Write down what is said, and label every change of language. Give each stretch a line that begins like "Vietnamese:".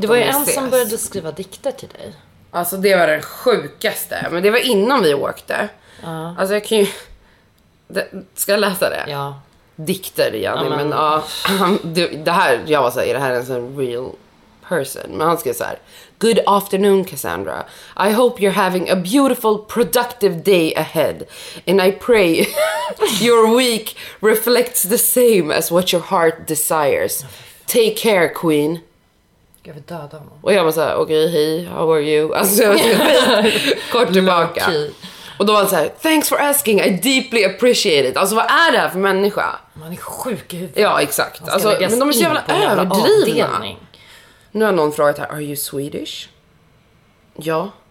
Swedish: det var de ju en ses. Som började skriva dikter till dig. Alltså det var den sjukaste. Men det var innan vi åkte. Alltså jag kan ju... Ska jag läsa det? Ja. Dikter, Janne. Ja, men... det här, jag var så här, är det här en sån
English: real person?
Swedish: Men han skrev så här:
English: good afternoon Cassandra, I hope you're having a beautiful productive day ahead, and I pray your week reflects the same as what your heart desires. Take care queen.
Swedish: Jag vill döda honom. Och jag var såhär, okej, okay, hej,
English: how are you?
Swedish: Alltså jag var såhär, kort tillbaka. Och då var han såhär:
English: thanks for asking, I deeply appreciate it.
Swedish: Alltså vad är det här för människa? Man är sjuk i huvudet. Ja, exakt. Alltså, men de är så jävla överdrivna. Nu har någon frågat här:
English: are you Swedish?
Swedish: Ja.